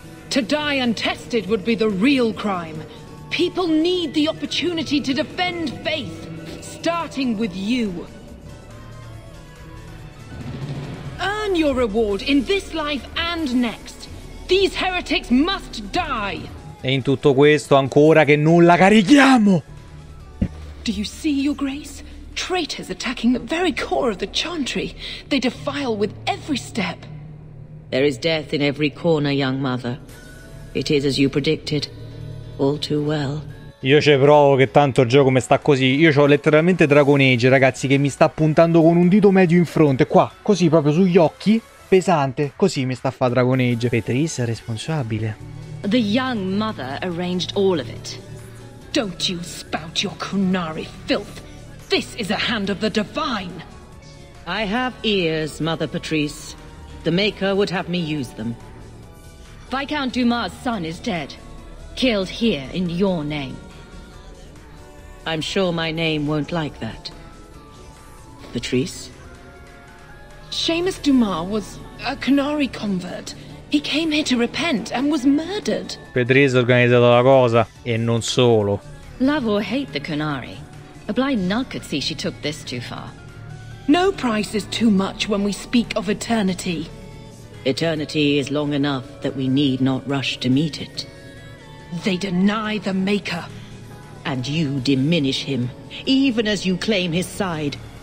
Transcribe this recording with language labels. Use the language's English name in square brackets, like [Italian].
[English] To die untested would be the real crime. People need the opportunity to defend faith, starting with you. Earn your reward in this life and next. These heretics must die. [Italian] E in tutto questo ancora che nulla carichiamo. [English] Do you see, Your Grace? Traitors attacking the very core of the Chantry. They defile with every step. There is death in every corner, young mother. It is as you predicted. All too well. [Italian] Io ci provo che tanto il gioco mi sta così. Io c'ho letteralmente Dragon Age, ragazzi, che mi sta puntando con un dito medio in fronte. Qua, così, proprio sugli occhi. Pesante. Così mi sta a fare Dragon Age. Patrice è responsabile. [English] The young mother arranged all of it. Don't you spout your Kunari filth. This is a hand of the divine. I have ears, Mother Patrice. The Maker would have me use them. Viscount Dumas' son is dead. Killed here in your name. I'm sure my name won't like that. Patrice? Seamus Dumas was a Kunari convert. He came here to repent and was murdered. [Italian] Patrice ha organizzato la cosa, e non solo. [English] Love or hate the Kunari, a blind nun could see she took this too far. No price is too much when we speak of eternity. Eternity is long enough that we need not rush to meet it. They deny the Maker. And you diminish him, even as you claim his side.